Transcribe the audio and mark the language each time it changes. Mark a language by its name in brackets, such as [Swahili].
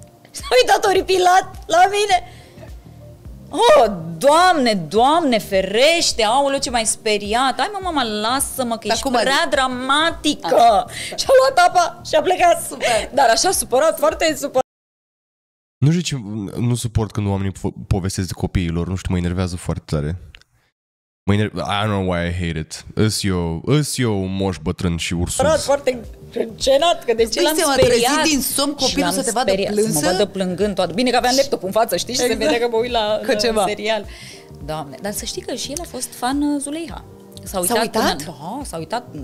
[Romanian] S-a uitat oripilat la mine. Oh, doamne, doamne, ferește, aoleu, ce m-ai speriat. Hai mă, mama, lasă-mă, că ești prea dramatică. Și-a luat apa și-a plecat. Super. Dar așa supărat, foarte supărat. Nu știu ce, nu suport când oamenii povestesc de copiilor, nu știu, mă enervează foarte tare. Mă enervează, [English] I don't know why I hate it. [Romanian] Îs eu un moș bătrân și ursus. Supărat, foarte... Încenat, că de ce l-am seama, speriat. Trezit din somn copilul să te vadă speriat, plânsă? Să mă vadă plângând toată. Bine că aveam laptop în față, știi? Și exact. Se vedea că mă uit la serial. Doamne, dar să știi că și el a fost fan Zuleiha. S-a uitat? Da, s-a uitat.